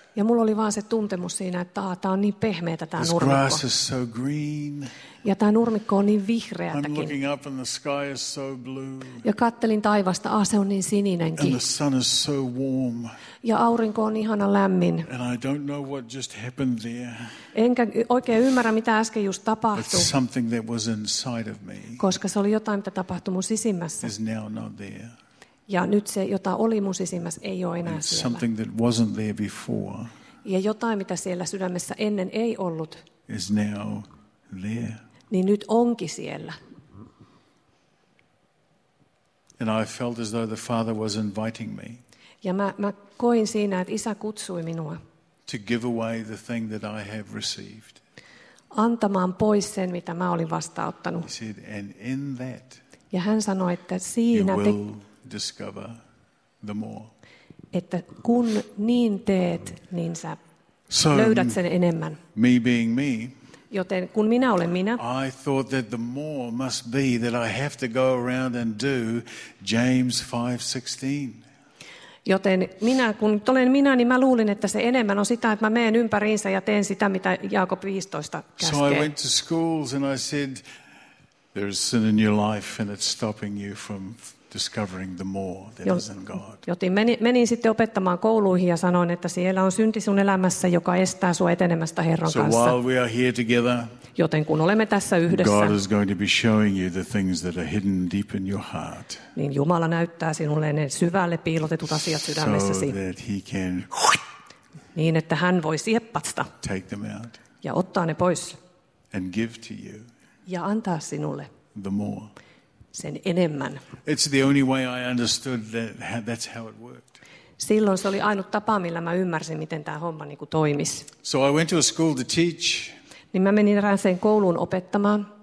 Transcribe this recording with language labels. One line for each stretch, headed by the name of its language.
Finnish: Ja mulla oli vaan se tuntemus siinä, että tämä on niin pehmeätä tämä nurmikko.
English: This grass is so green.
Finnish: Ja tämä nurmikko on niin vihreätäkin.
English: I'm looking up and the sky is so blue.
Finnish: Ja kattelin taivasta, se on niin sininenkin.
English: And the sun is so warm.
Finnish: Ja aurinko on ihana lämmin.
English: And I don't know what just happened there.
Finnish: Enkä oikein ymmärrä, mitä äsken just tapahtui.
English: But something that was inside of me.
Finnish: Koska se oli jotain, mitä tapahtui mun sisimmässä.
English: Is now not there.
Finnish: Ja nyt se, jota oli mun sisimmässä, ei ole enää siellä.
English: Something that wasn't there before.
Finnish: Ja jotain, mitä siellä sydämessä ennen ei ollut.
English: Is now there.
Finnish: Niin nyt onkin siellä.
English: And I felt as though the Father was inviting me.
Finnish: Ja mä koin siinä, että isä kutsui minua.
English: To give away the thing that I have received.
Finnish: Antamaan pois sen, mitä mä olin vastaanottanut.
English: He said, and in that.
Finnish: Ja hän sanoi, että siinä
English: te discover the more.
Finnish: Että kun niin teet, niin sä so löydät sen enemmän.
English: Me being me.
Finnish: Joten kun minä olen minä.
English: I thought that the more must be that I have to go around and do James 5:16.
Finnish: Joten minä, kun olen minä, niin mä luulin, että se enemmän on sitä, että mä meen ympäriinsä ja teen sitä, mitä Jaakob 15 käskee.
English: So I went to schools and I said, there is sin in your life and it's stopping you from discovering the more that is in God.
Finnish: Joten menin sitten opettamaan kouluihin ja sanoin, että siellä on synti sun elämässä, joka estää sua etenemästä Herran kanssa.
English: So while we are here together,
Finnish: joten kun olemme tässä yhdessä,
English: God is going to be showing you the things that are hidden deep in your heart.
Finnish: Niin Jumala näyttää sinulle ne syvälle piilotetut asiat sydämessäsi.
English: So that he can
Finnish: niin että hän voi sieppasta.
English: Take them out.
Finnish: Ja ottaa ne pois.
English: And give to you.
Finnish: Ja antaa sinulle.
English: The more.
Finnish: Sen enemmän.
English: It's the only way I understood that that's how it worked.
Finnish: Silloin se oli ainut tapa, millä mä ymmärsin, miten tämä homma niinku toimisi.
English: So I went to a school to teach.
Finnish: Niin mä menin erääseen kouluun opettamaan.